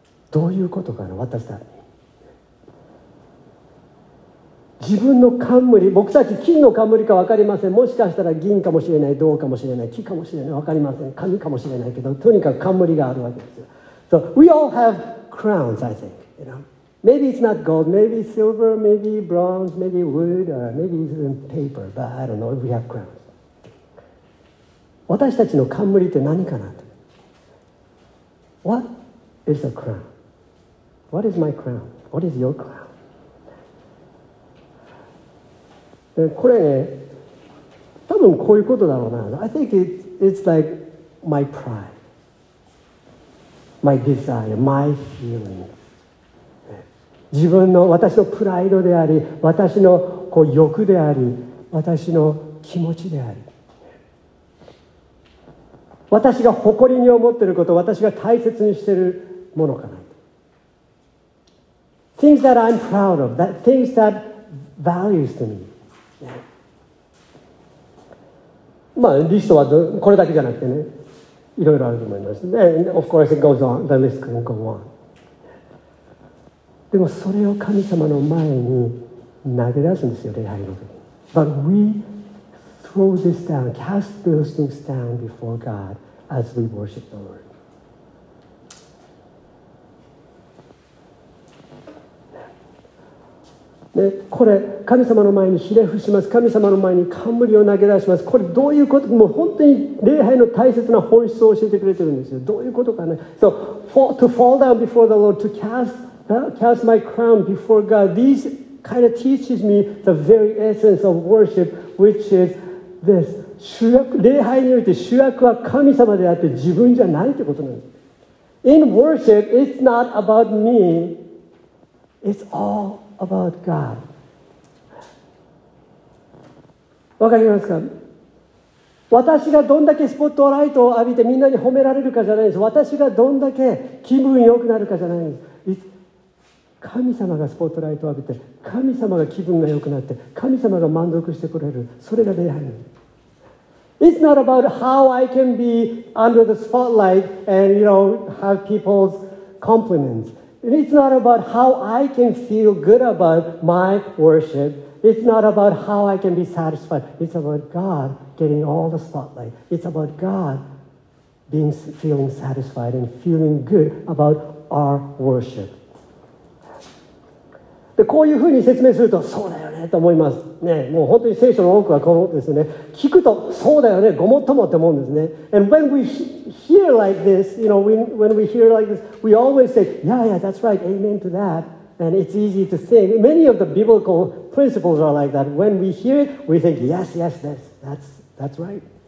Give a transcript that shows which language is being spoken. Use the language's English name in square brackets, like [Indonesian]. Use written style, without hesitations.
[Japanese] どういうことかな、私たち。自分の冠、僕たち金の冠か分かりません。もしかしたら銀かもしれない、銅かもしれない、木かもしれない、分かりません。紙かもしれないけど、とにかく冠があるわけですよ。 [English] So, we all have crowns, I think, you know? Maybe it's not gold, maybe silver, maybe bronze, maybe wood, or maybe even paper, but I don't know if we have crowns. [Japanese] 私たちの冠って何かなと。 [English] What is a crown? What is my crown? What is your crown? [Japanese] でこれ、ね、多分こういうことだろうな。 [English] I think it's like my pride, my desire, my feeling. [Japanese] 自分の私のプライドであり、私のこう欲であり、私の気持ちであり、私が誇りに思っていること、私が大切にしているものかな。 [English] Things that I'm proud of, that things that values to me、 [Japanese] まあ、リストはこれだけじゃなくてね、いろいろあると思います。 [English] And of course it goes on, the list can go on. [Japanese] でもそれを神様の前に投げ出すんですよ、礼拝の時に。 [English] But we throw this down, cast those things down before God as we worship the Lord. [Japanese] でこれ、神様の前にひれ伏します。神様の前に冠を投げ出します。これどういうこと？もう本当に礼拝の大切な本質を教えてくれてるんですよ。どういうことかね。 [English] So, to fall down before the Lord, to cast my crown before God. These kind of teaches me the very essence of worship, which is this. [Japanese] 主役、礼拝において主役は神様であって自分じゃないってことなんです。 [English] In worship, it's not about me. It's all about God. [Japanese] わかりますか？私がどんだけスポットライトを浴びてみんなに褒められるかじゃないです。私がどんだけ気分良くなるかじゃないです。神様がスポットライトを浴びて、神様が気分が良くなって、神様が満足してくれる、それが礼拝なんです。 [English] It's not about how I can be under the spotlight and, you know, have people's compliments. It's not about how I can feel good about my worship. It's not about how I can be satisfied. It's about God getting all the spotlight. It's about God feeling satisfied and feeling good about our worship. [Japanese] でこういうふうに説明するとそうだよねと思います、ね、もう本当に聖書の多くはこうですね、聞くとそうだよね、ごもっともって思うんですね。 [English] And when we hear like this, you know, when we hear like this, we always say, yeah, yeah, that's right, amen to that. And it's easy to think. Many of the biblical principles are like that. When we hear it, we think, yes, yes, that's right.